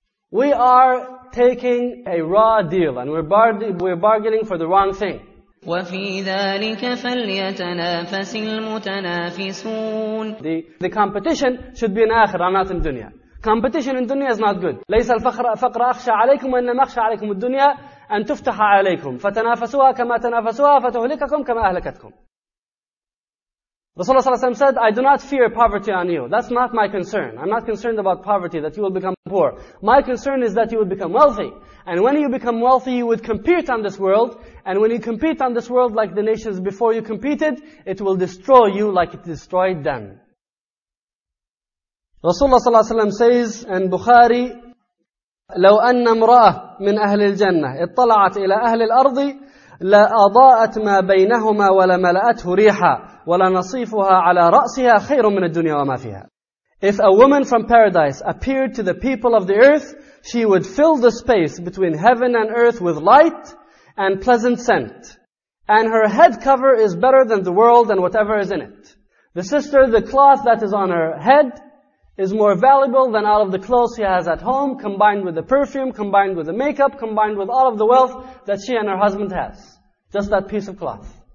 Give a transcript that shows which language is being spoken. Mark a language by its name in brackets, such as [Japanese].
[English] We are taking a raw deal and we're bargaining for the wrong thing. [Arabic] وَفِي ذَٰلِكَ فَلْيَتَنَافَسِ الْمُتَنَافِسُونَ [English] The competition should be in Akhirah, not in dunya. Competition in dunya is not good. [Arabic] ليس الفقر فقر أخشى عليكم وإنما أخشى عليكم الدنيا أن تفتح عليكم فتنافسوها كما تنافسوها فتهلككم كما أهلكتكم. [English] Rasulullah sallallahu alayhi wa sallam said, I do not fear poverty on you. That's not my concern. I'm not concerned about poverty, that you will become poor. My concern is that you will become wealthy. And when you become wealthy, you would compete on this world. And when you compete on this world like the nations before you competed, it will destroy you like it destroyed them. Rasulullah sallallahu alayhi wa sallam says in Bukhari, [Arabic] لو أن امرأة من أهل الجنة اطلعت إلى أهل الأرض لا أضاءت ما بينهما ولا ملأته ريحا ولا نصيفها على رأسها خير من الدنيا وما فيها. [English] If a woman from paradise appeared to the people of the earth, she would fill the space between heaven and earth with light and pleasant scent. And her head cover is better than the world and whatever is in it. The sister, the cloth that is on her head is more valuable than all of the clothes she has at home, combined with the perfume, combined with the makeup, combined with all of the wealth that she and her husband has. Just that piece of cloth.